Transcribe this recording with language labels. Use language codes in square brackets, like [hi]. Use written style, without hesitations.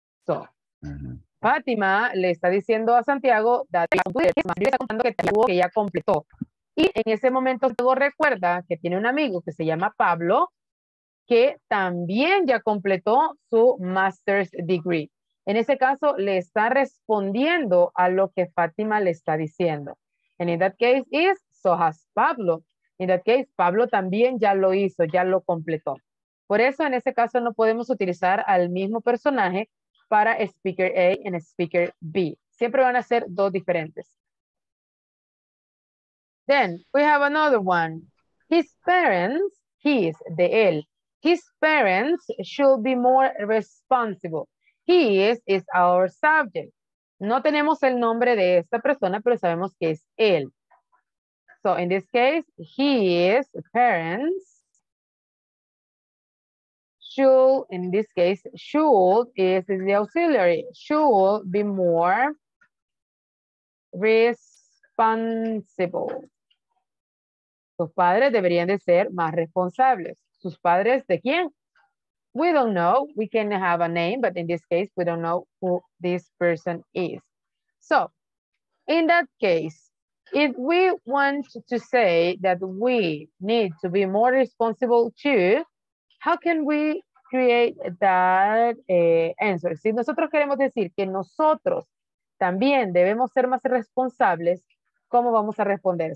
[es] So, Fátima le está diciendo a Santiago que ya completó. Y en ese momento Santiago recuerda que tiene un amigo que se llama Pablo, que también ya completó su master's degree. En ese caso, le está respondiendo a lo que Fátima le está diciendo. [en] And in that case is, so has Pablo. In that case, [es] Pablo también ya lo hizo, ya lo completó. Por eso, en ese caso, no podemos utilizar al mismo personaje para speaker A y speaker B. Siempre van a ser dos diferentes. [en] Then, we have another one. His parents, his, [es] de él. [en] His parents should be more responsible. He is our subject. [es] No tenemos el nombre de esta persona, pero sabemos que es él. [en] So in this case, his parents should, in this case, should is the auxiliary, should be more responsible. [es] Sus padres deberían de ser más responsables. ¿Sus padres de quién? [en] We don't know. We can have a name, but in this case, we don't know who this person is. So, in that case, if we want to say that we need to be more responsible too, how can we create that answer? [es] Si nosotros queremos decir que nosotros también debemos ser más responsables, ¿cómo vamos a responder?